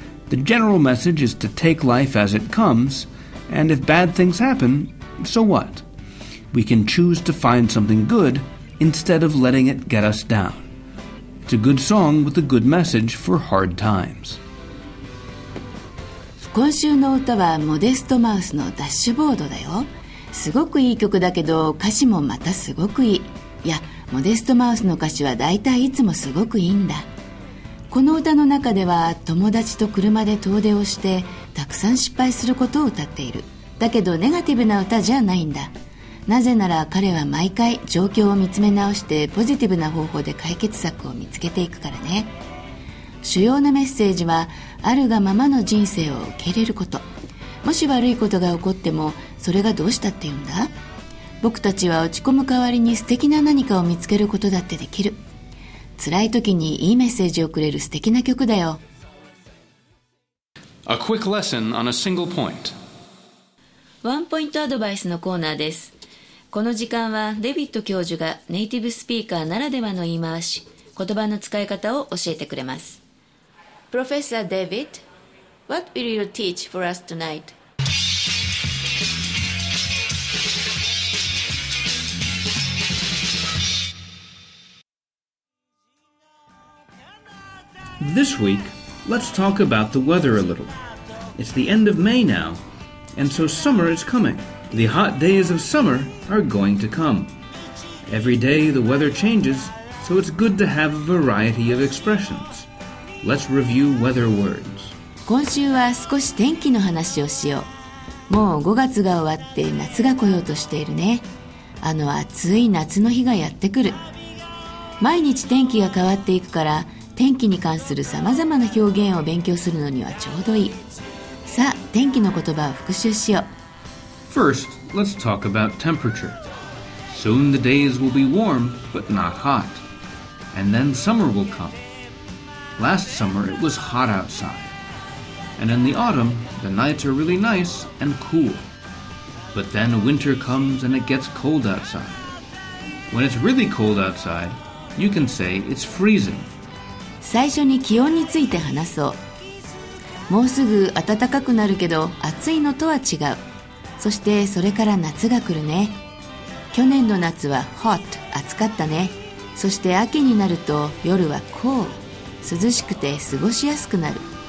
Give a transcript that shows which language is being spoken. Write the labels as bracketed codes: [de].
[en] The general message is to take life as it comes,And if bad things happen, so what? We can choose to find something good instead of letting it get us down. It's a good song with a good message for hard times. [ja] 今週の歌はモデストマウスのダッシュボードだよ。すごくいい曲だけど歌詞もまたすごくいい。いや、モデストマウスの歌詞はだいたいいつもすごくいいんだ。この歌の中では友達と車で遠出をしてたくさん失敗することを歌っている。だけどネガティブな歌じゃないんだ。なぜなら彼は毎回状況を見つめ直してポジティブな方法で解決策を見つけていくからね。主要なメッセージはあるがままの人生を受け入れること。もし悪いことが起こってもそれがどうしたって言うんだ。僕たちは落ち込む代わりに素敵な何かを見つけることだってできる。辛い時にいいメッセージをくれる素敵な曲だよ。 [en] A quick lesson on a single point。 [ja] ワンポイントアドバイスのコーナーです。この時間はデビッド教授がネイティブスピーカーならではの言い回し、言葉の使い方を教えてくれます。 Professor David, [en] What will you teach for us tonight? This week, let's talk about the weather a little. It's the end of May now, and so summer is coming. The hot days of summer are going to come. Every day the weather changes, so it's good to have a variety of expressions. Let's review weather words. [ja] 今週は少し天気の話をしよう。もう5月が終わって夏が来ようとしているね。あの暑い夏の日がやってくる。毎日天気が変わっていくから、天気に関するさまざまな表現を勉強するのにはちょうどいい。さあ、天気の言葉を復習しよう。 [en] First, let's talk about temperature. Soon the days will be warm, but not hot. And then summer will come. Last summer it was hot outside. And in the autumn, the nights are really nice and cool. But then winter comes and it gets cold outside. When it's really cold outside, you can say it's freezing. [ja] 最初に気温について話そう。もうすぐ暖かくなるけど暑いのとは違う。そしてそれから夏が来るね。去年の夏は hot、 暑かったね。そして秋になると夜は cool、 涼しくて過ごしやすくなる。